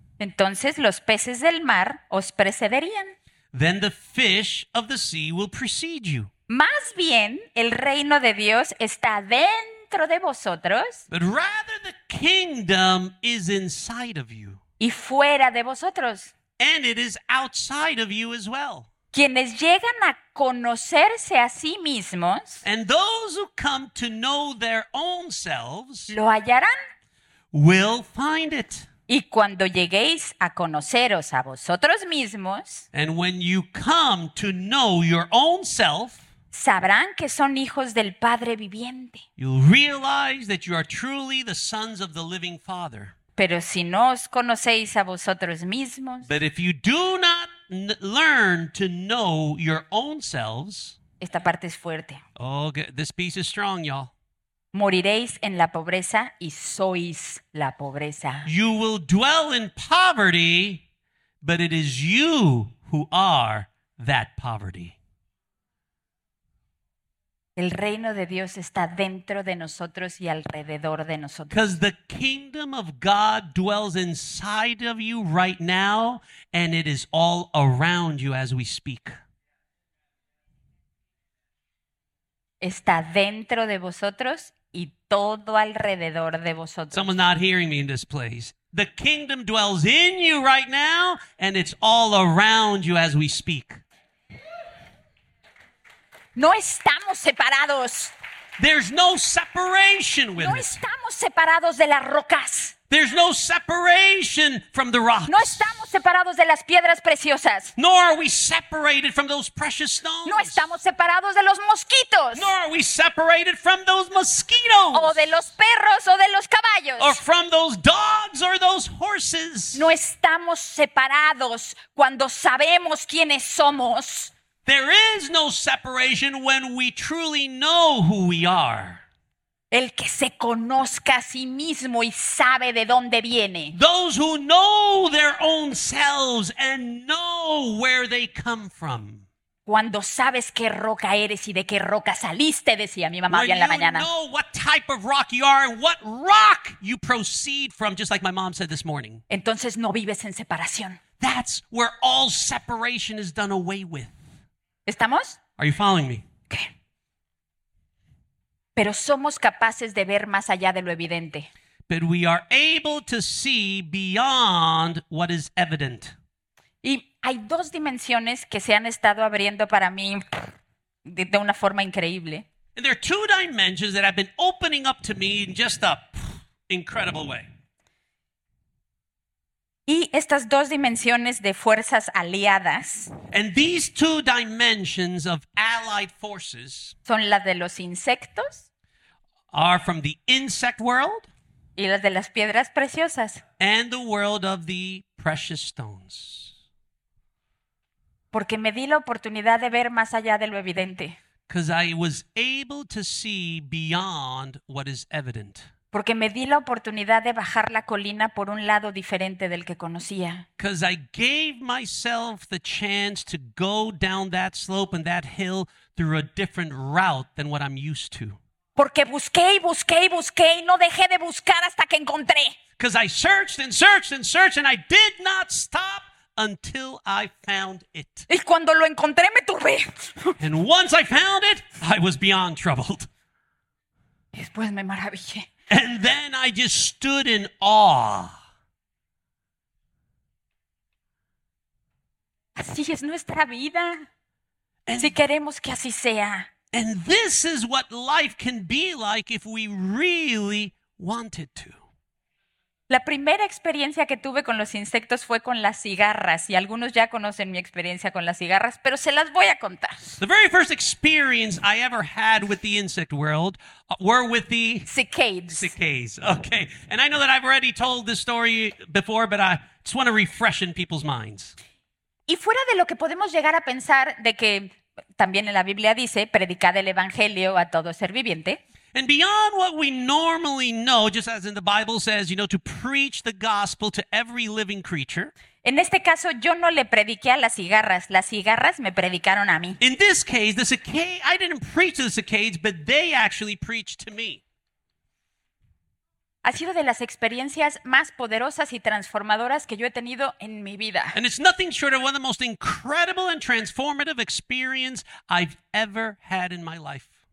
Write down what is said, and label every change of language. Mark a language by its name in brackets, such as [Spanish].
[Spanish] Entonces los peces del mar os precederían. [English] Then the fish of the sea will precede you. [Spanish] Más bien, el reino de Dios está dentro. [English] But rather the kingdom is inside of you. [Spanish] Y fuera de vosotros. [English] And it is outside of you as well. [Spanish] Quienes llegan a conocerse a sí mismos. [English] And those who come to know their own selves. [Spanish] Lo hallarán. [English] Will find it. [Spanish] Y cuando lleguéis a conoceros a vosotros mismos. [English] And when you come to know your own self. [Spanish] Sabrán que son hijos del Padre viviente. [English] You'll realize that you are truly the sons of the living Father. [Spanish] Pero si no os conocéis a vosotros mismos, [English] but if you do not learn to know your own selves, [Spanish] esta parte es fuerte. [English] Okay, this piece is strong, y'all. [Spanish] Moriréis en la pobreza y sois la pobreza. [English] You will dwell in poverty, but it is you who are that poverty. [Spanish] El reino de Dios está dentro de nosotros y alrededor de nosotros. [English] Because the kingdom of God dwells inside of you right now, and it is all around you as we speak. [Spanish] Está dentro de vosotros y todo alrededor de vosotros. [English] Someone's not hearing me in this place. The kingdom dwells in you right now, and it's all around you as we speak. [Spanish] No estamos separados. [English] There's no separation with it. [Spanish] No estamos separados de las rocas. [English] There's no separation from the rocks. [Spanish] No estamos separados de las piedras preciosas. [English] Nor are we separated from those precious stones. [Spanish] No estamos separados de los mosquitos. [English] Nor are we separated from those mosquitoes. [Spanish] O de los perros o de los caballos. [English] Or from those dogs or those horses. [Spanish] No estamos separados cuando sabemos quiénes somos. [English] There is no separation when we truly know who we are. [Spanish] El que se conozca a sí mismo y sabe de dónde viene. [English] Those who know their own selves and know where they come from. [Spanish] Cuando sabes qué roca eres y de qué roca saliste, decía mi mamá hoy en la mañana. [English] When you know what type of rock you are and what rock you proceed from, just like my mom said this morning. [Spanish] Entonces no vives en separación. [English] That's where all separation is done away with. [Spanish] ¿Estamos? [English] Are you following me? [Spanish] ¿Qué? Pero somos capaces de ver más allá de lo evidente. [English] But we are able to see beyond what is evident. [Spanish] Y hay dos dimensiones que se han estado abriendo para mí de una forma increíble. [English] And there are two dimensions that have been opening up to me in just a incredible way. [Spanish] Y estas dos dimensiones de fuerzas aliadas. [English] And these two dimensions of allied forces. [Spanish] Son las de los insectos. [English] Are from the insect world. [Spanish] Y las de las piedras preciosas. [English] And the world of the precious stones. [Spanish] Porque me di la oportunidad de ver más allá de lo evidente. [English] Because I was able to see beyond what is evident. [Spanish] Porque me di la oportunidad de bajar la colina por un lado diferente del que conocía. [English] Because I gave myself the chance to go down that slope and that hill through a different route than what I'm used to. [Spanish] Porque busqué y busqué y busqué y no dejé de buscar hasta que encontré. [English] Because I searched and searched and searched and I did not stop until I found it. [Spanish] Y cuando lo encontré me turbé. [English] And once I found it, I was beyond troubled. [Spanish] Después me maravillé. [English] And then I just stood in awe. [Spanish] Así es nuestra vida. And, si queremos que así sea. [English] And this is what life can be like if we really want it to. [Spanish] La primera experiencia que tuve con los insectos fue con las cigarras, y algunos ya conocen mi experiencia con las cigarras, pero se las voy a contar. [English] The very first experience I ever had with the insect world were with the cicadas. Okay. And I know that I've already told this story before, but I just want to refresh in people's minds. [Spanish] Y fuera de lo que podemos llegar a pensar de que también en la Biblia dice, predicad el evangelio a todo ser viviente. [English] And beyond what we normally know, just as in the Bible says, you know, to preach the gospel to every living creature. [Spanish] En este caso, yo no le prediqué a las cigarras me predicaron a mí. [English] In this case, the cicadas, I didn't preach to the cicadas, but they actually preached to me. [Spanish] Ha sido de las experiencias más poderosas y transformadoras que yo he tenido en mi vida. [English] And it's nothing short of one of the most incredible and transformative experiences I've ever had in my life.